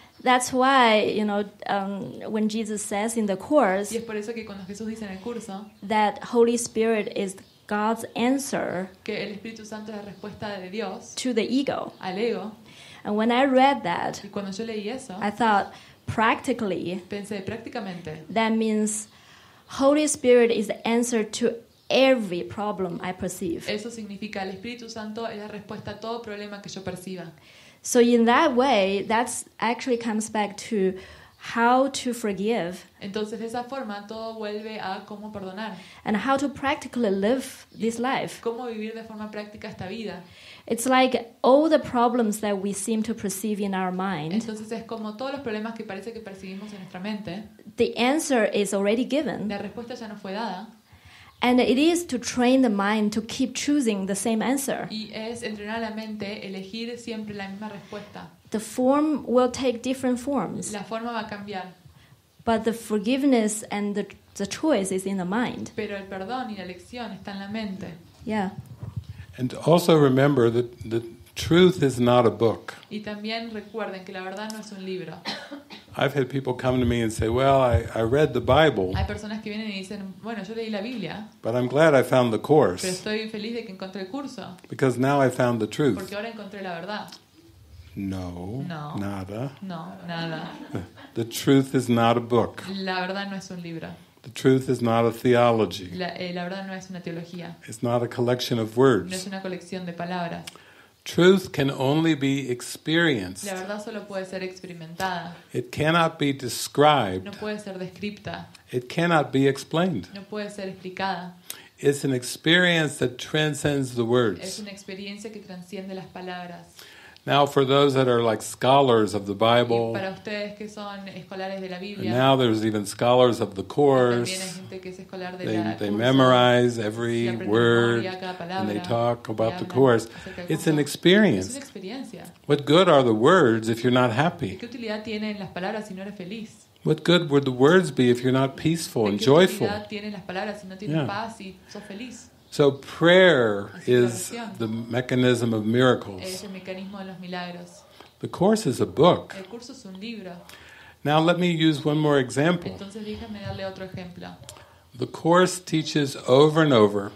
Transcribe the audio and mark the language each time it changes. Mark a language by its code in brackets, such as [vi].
[en] That's why, you know, when Jesus says in the course, [es] y es por eso que cuando Jesús dice en el curso, [en] that Holy Spirit is God's answer, [es] que el Espíritu Santo es la respuesta de Dios, [en] to the ego. [es] Al ego. [en] And when I read that, [es] y cuando yo leí eso, [en] I thought, practically, [es] pensé, prácticamente, [en] that means Holy Spirit is the answer to every problem I perceive. [es] Eso significa el Espíritu Santo es la respuesta a todo problema que yo perciba. [en] So in that way, that's actually comes back to how to forgive. [es] Entonces de esa forma todo vuelve a cómo perdonar. [en] And how to practically live this life. [es] Cómo vivir de forma práctica esta vida. [en] It's like all the problems that we seem to perceive in our mind. [es] Entonces es como todos los problemas que parece que percibimos en nuestra mente. [en] The answer is already given. [es] La respuesta ya nos fue dada. [en] And it is to train the mind to keep choosing the same answer. [es] Y es entrenar la mente a elegir siempre la misma respuesta. [en] The form will take different forms. [es] La forma va a cambiar. [en] But the forgiveness and the choice is in the mind. [es] Pero el perdón y la elección está en la mente. [en] Yeah. And also remember that the truth is not a book. [es] Y también recuerden que la verdad no es un libro. [en] I've had people come to me and say, "Well, I read the Bible." [es] Hay personas que vienen y dicen, "Bueno, yo leí la Biblia." [en] But I'm glad I found the course. [es] Pero estoy feliz de que encontré el curso. [en] Because now I found the truth. [es] Porque ahora encontré la verdad. [en] No. [es] No. Nada. No, nada. [en] The truth is not a book. [es] La verdad no es un libro. [en] The truth is not a theology. [es] La verdad no es una teología. [en] It's not a collection of words. [es] No es una colección de palabras. [en] Truth can only be experienced. [es] La verdad solo puede ser experimentada. [en] It cannot be described. [es] No puede ser descripta. [en] It cannot be explained. [es] No puede ser explicada. [en] It's an experience that transcends the words. [es] Es una experiencia que transciende las palabras. [en] Now, for those that are like scholars of the Bible, [es] y para ustedes que son escolares de la Biblia, [en] and now there's even scholars of the course, [es] también hay gente que es escolar de [en] they [es] curso, [en] memorize every word, [es] palabra, [en] and they talk about the course. It's an experience. [es] Es una experiencia. [en] What good are the words if you're not happy? [es] ¿Qué utilidad tienen las palabras si no eres feliz? [en] What good would the words be if you're not peaceful and joyful? [es] ¿Qué utilidad tienen las palabras si no tienes paz y sos feliz? [en] So prayer is the mechanism of miracles. [es] Es el mecanismo de los milagros. [en] The course is a book. [es] El curso es un libro. [en] Now let me use one more example. [es] Entonces déjame darle otro ejemplo. [en] The course teaches over and over.